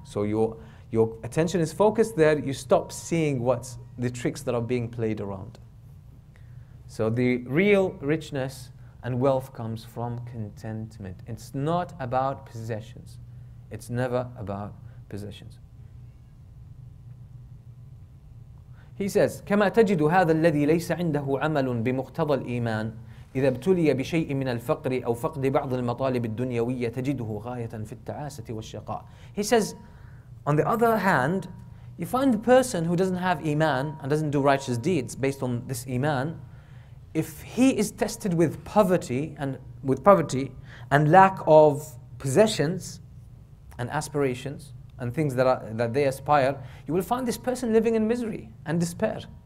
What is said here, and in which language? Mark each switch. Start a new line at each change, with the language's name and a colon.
English: So your attention is focused there. You stop seeing what's the tricks that are being played around. So the real richness and wealth comes from contentment. It's not about possessions. It's never about possessions. He says,
Arabic: كما تجد هذا الذي ليس عنده عمل بمقتضى الإيمان إذا ابتلي بشيء من الفقر أو فقد بعض المطالب الدنيوية تجده غاية في التعاسة والشقاء.
English: He says, on the other hand, you find the person who doesn't have iman and doesn't do righteous deeds based on this iman, if he is tested with poverty and lack of possessions and aspirations and things that they aspire, you will find this person living in misery and despair.